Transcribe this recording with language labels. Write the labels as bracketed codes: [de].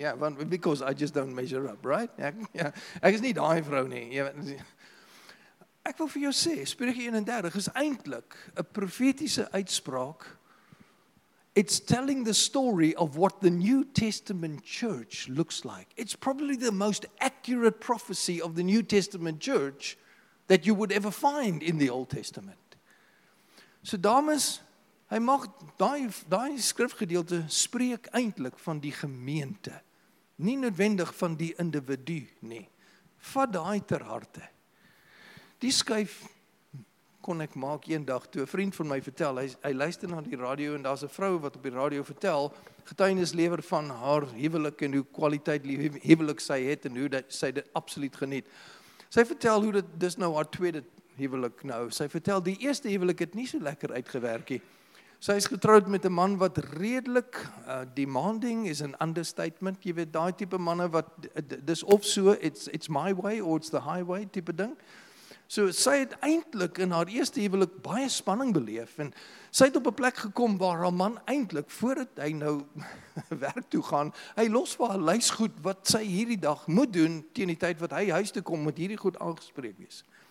[af] Ja, want [en] because I just don't measure up, right? [af] Ek is nie daai vrou nie. Ek wil vir jou sê, Spreuke 31 is eintlik 'n profetiese uitspraak. [en] It's telling the story of what the New Testament church looks like. It's probably the most accurate prophecy of the New Testament church that you would ever find in the Old Testament. [af] So dames, hy mag daai skrifgedeelte spreek eintlik van die gemeente. Nie noodwendig van die individu nie. Vat daai ter harte. Die skuif kon ek maak eendag toe 'n vriend van my vertel, hy luister na die radio en daar's 'n vrou wat op die radio vertel, getuienis lewer van haar huwelik en hoe kwaliteit huwelik sy het en hoe dat sy dit absoluut geniet. Sy vertel hoe dit dis nou haar tweede huwelik nou. Sy vertel, die eerste huwelik het nie so lekker uitgewerk nie. Sy is getroud met 'n man wat redelik demanding [en] is an understatement. [af] Jy weet, daai tipe manne wat, dis of so, [en] it's my way or it's the highway [af] tipe ding. So sy het eintlik in haar eerste huwelik baie spanning beleef en sy het op 'n plek gekom waar haar man eintlik, voordat hy nou werk toe gaan, hy los vir haar lys goed wat sy hierdie dag moet doen teen die tyd wat hy huis toe kom, moet hierdie goed aangespreek wees.